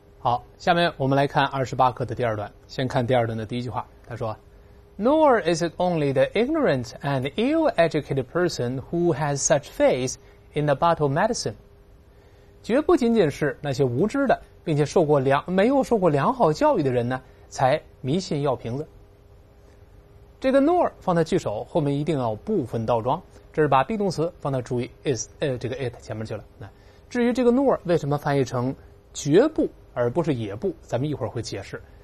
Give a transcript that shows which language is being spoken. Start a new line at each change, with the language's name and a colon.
Chinese: 好，下面我们来看二十八课的第二段。先看第二段的第一句话，他说
English: ：“Nor is it only the ignorant and ill-educated person who has such faith in the bottle medicine。”
Chinese: 绝不仅仅是那些无知的，并且没有受过良好教育的人呢，才迷信药瓶子。这个 nor 放在句首，后面一定要部分倒装，这是把 be 动词放到主语 is 这个 it 前面去了。那至于这个 nor 为什么翻译成绝不而不是也不，咱们一会儿会解释。